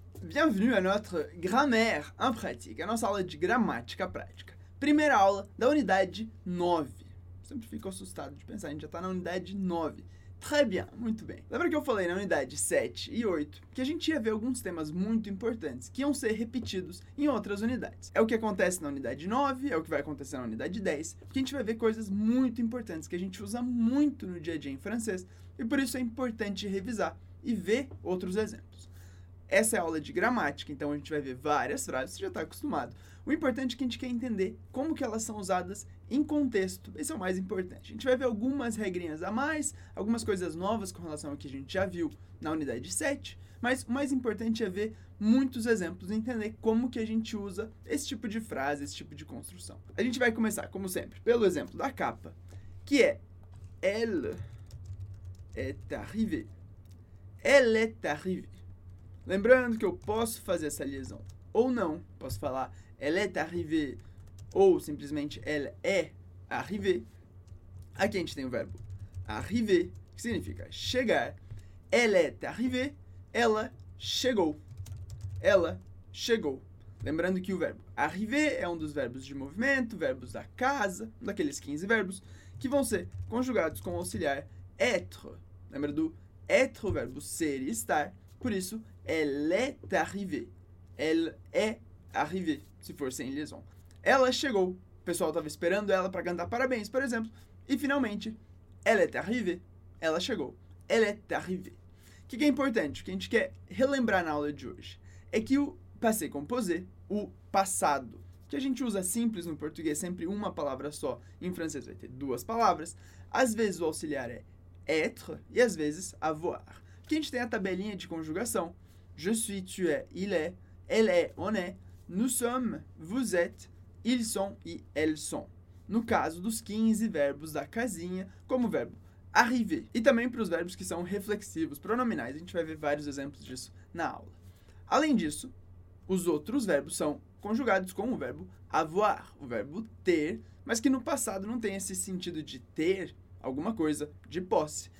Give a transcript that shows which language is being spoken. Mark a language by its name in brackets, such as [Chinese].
[French] Bienvenue à notre grammaire en pratique, [Portuguese] à nossa aula de gramática prática. Primeira aula da unidade 9. Sempre fico assustado de pensar, a gente já está na unidade 9. [French] Très bien, [Portuguese] muito bem. Lembra que eu falei na unidade 7 e 8 que a gente ia ver alguns temas muito importantes que iam ser repetidos em outras unidades. É o que acontece na unidade 9, é o que vai acontecer na unidade 10, porque a gente vai ver coisas muito importantes que a gente usa muito no dia a dia em francês e por isso é importante revisar e ver outros exemplos. Essa é a aula de gramática, então a gente vai ver várias frases, você já está acostumado. O importante é que a gente quer entender como que elas são usadas em contexto. Esse é o mais importante. A gente vai ver algumas regrinhas a mais, algumas coisas novas com relação ao que a gente já viu na unidade 7, mas o mais importante é ver muitos exemplos e entender como que a gente usa esse tipo de frase, esse tipo de construção. A gente vai começar, como sempre, pelo exemplo da capa, que é [French] Elle est arrivée. Elle est arrivée. [Portuguese] Lembrando que eu posso fazer essa liaison ou não. Posso falar [French] elle est arrivée [Portuguese] ou simplesmente elle est arrivée. Aqui a gente tem o verbo arriver, que significa chegar. [French] Elle est arrivée, [Portuguese] ela chegou. Ela chegou. Lembrando que o verbo arriver é um dos verbos de movimento, verbos da casa, um daqueles 15 verbos, que vão ser conjugados com o auxiliar être. Lembra do être, o verbo ser e estar, por isso, [French] elle est arrivée. Elle est arrivée, [Portuguese] se for sem liaison. Ela chegou. O pessoal estava esperando ela para cantar parabéns, por exemplo. E, finalmente, [French] elle est arrivée. [Portuguese] Ela chegou. [French] Elle est arrivée. [Portuguese] O que é importante? O que a gente quer relembrar na aula de hoje é que o passé composé, o passado, que a gente usa simples no português, sempre uma palavra só, em francês vai ter duas palavras, às vezes o auxiliar é être e, às vezes, avoir. Aqui a gente tem a tabelinha de conjugação. [French] Je suis, tu es, il est, elle est, on est, nous sommes, vous êtes, ils sont e elles sont. [Portuguese] No caso dos 15 verbos da casinha, como o verbo arriver. E também para os verbos que são reflexivos, pronominais. A gente vai ver vários exemplos disso na aula. Além disso, os outros verbos são conjugados com o verbo avoir, o verbo ter, mas que no passado não tem esse sentido de ter alguma coisa de posse.